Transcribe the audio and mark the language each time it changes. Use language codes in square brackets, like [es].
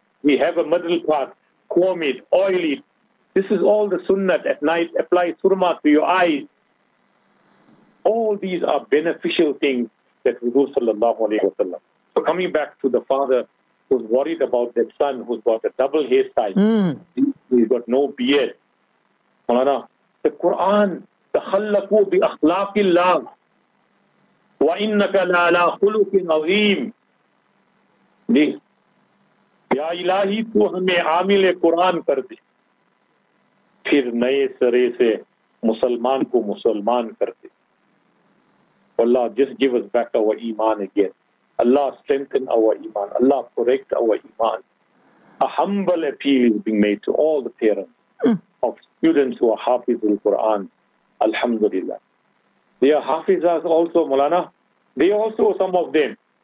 [en] We have a middle part, comb it, oil it. This is all the sunnat at night. Apply surma to your eyes. All these are beneficial things that Rasul sallallahu alayhi wa sallam. So coming back to the father who's worried about that son who's got a double hairstyle. He's got no beard. [ar] Maulana, [en] the Quran, [ar] تخلقوا بأخلاق الله وإنك لعلى خلق عظيم. [ur] يا إلهي تو ہمیں عامل قرآن کر دے پھر نئے سرے سے مسلمان کو مسلمان کر دے. [en] Allah, just give us back our iman again. Allah, strengthen our iman. Allah, correct our iman. A humble appeal is being made to all the parents of students who are hafiz al-Quran. Alhamdulillah. They are hafizas also, Maulana. They also, some of them.